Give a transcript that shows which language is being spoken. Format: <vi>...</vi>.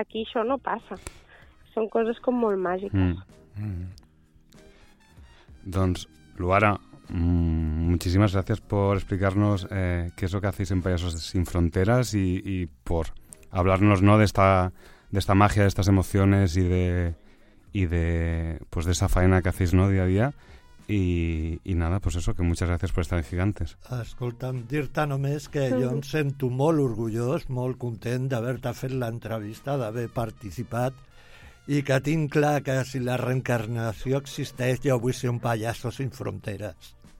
<ca>Aquí això no passa, són coses com molt màgiques. Doncs, Luara, moltíssimes gràcies per explicar-nos què és el que</ca> <es>hacéis</es> <ca>en Payasos Sin Fronteres i per hablar-nos, no, d'esta màgia,</ca> <es>d'estas emociones</es> <ca>i de...</ca> <es>y de, pues, de esa faena que hacéis, ¿no?, día a día. Y nada, pues eso, que muchas gracias por estar en Gigantes.</es> <ca>Escolta'm, dir-te només que jo em sento molt orgullós, molt content d'haver-te fet l'entrevista, d'haver participat, i que tinc clar que si la reencarnació existeix, jo vull ser un Payaso Sin Fronteres.</ca>